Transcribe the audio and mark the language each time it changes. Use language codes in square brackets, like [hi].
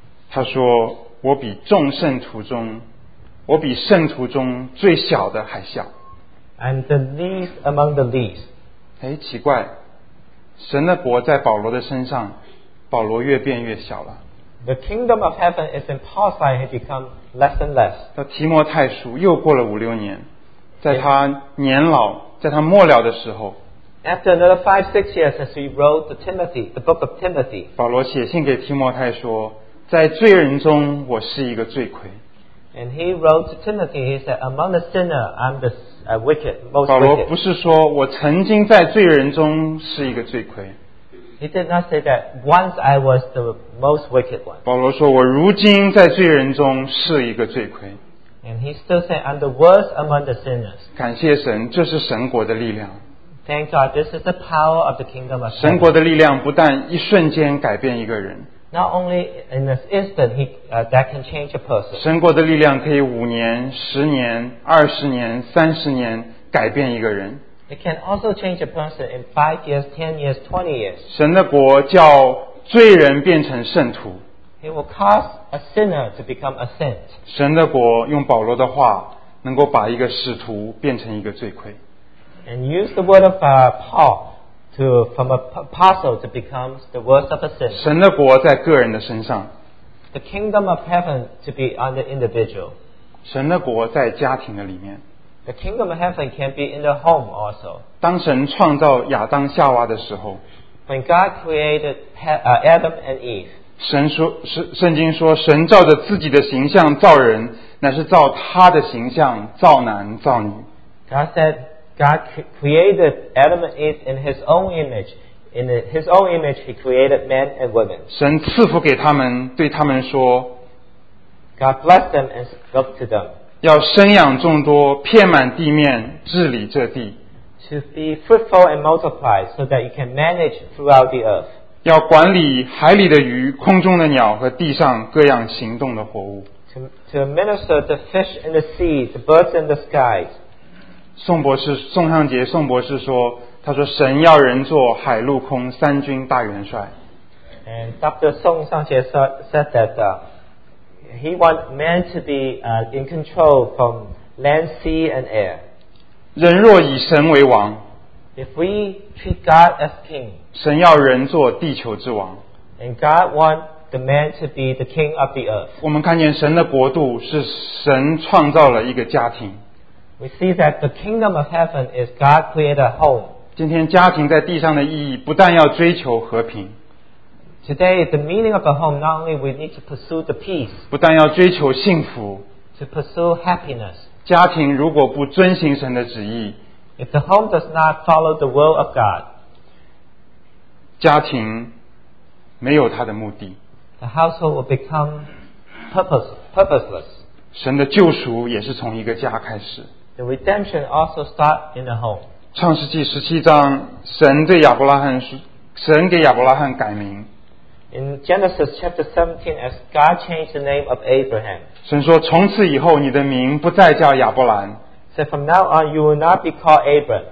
[zh] 他说我比众圣徒中，我比圣徒中最小的还小。 [en] I'm the least among the least. [zh] 哎，奇怪，神的国在保罗的身上，保罗越变越小了。 [en] The kingdom of heaven is in Paul's life had become less and less. [zh] 到提摩太书又过了五六年，在他年老，在他末了的时候， [en] After another 5-6 years since he wrote the Timothy, the book of Timothy, [zh] 保罗写信给提摩太说，在罪人中我是一个罪魁。 [en] And he wrote to Timothy, he said, among the sinner, I'm the wicked, most wicked. [zh] 保罗不是说我曾经在罪人中是一个罪魁。 [en] He did not say that once I was the most wicked one. [zh] 保罗说，我如今在罪人中是一个罪魁。 [en] And he still said, I'm the worst among the sinners. [zh] 感谢神，这是神国的力量。 [en] Thank God, this is the power of the kingdom of heaven. [zh] 神国的力量不但一瞬间改变一个人。 [en] Not only in an instant, that can change a person. [zh] 神国的力量可以五年、十年、二十年、三十年改变一个人。 [en] It can also change a person in 5 years, 10 years, 20 years. [zh] 神的国叫罪人变成圣徒。 [en] It will cause a sinner to become a saint. [zh] 神的国用保罗的话能够把一个使徒变成一个罪魁。 [en] And use the word of Paul to from a apostle to become the worst of a sinner. [zh] 神的国在个人的身上。 [en] The kingdom of heaven to be on the individual. [zh] 神的国在家庭的里面。 [en] The kingdom of heaven can be in the home also. [zh] 当神创造亚当夏娃的时候， [en] When God created Adam and Eve, [zh] 圣经说神照着自己的形象造人，乃是照他的形象造男造女。 [en] God said God created Adam and Eve in his own image. In his own image he created men and women. [zh] 神赐福给他们，对他们说， [en] God blessed them and spoke to them. [zh] 要生养众多，遍满地面，治理这地。 [en] To be fruitful and multiply, so that you can manage throughout the earth. [zh] 要管理海里的鱼、空中的鸟和地上各样行动的活物。 [en] To administer the fish in the sea, the birds in the sky. [zh] 宋博士，宋向杰，宋博士说，他说神要人做海陆空三军大元帅。 [en] And Dr. 宋向杰 said that. He wants man to be in control from land, sea, and air. [zh] 人若以神为王， [en] If we treat God as king, [zh] 神要人做地球之王， [en] And God wants the man to be the king of the earth. [zh] 我们看见神的国度是神创造了一个家庭。 [en] We see that the kingdom of heaven is God created a home. [zh] 今天家庭在地上的意义不但要追求和平， [en] Today, the meaning of a home, not only we need to pursue the peace, [zh] 不但要追求幸福, [en] to pursue happiness. [zh] 家庭如果不遵行神的旨意, [en] if the home does not follow the will of God, [zh] 家庭没有它的目的, [en] the household will become purposeless. [zh] 神的救赎也是从一个家开始, [en] the redemption also starts in the home. [zh] 创世纪十七章, 神给亚伯拉罕改名。 [en] In Genesis chapter 17, as God changed the name of Abraham, [zh] 神说从此以后你的名不再叫亚伯兰。 [en] So from now on, you will not be called Abram.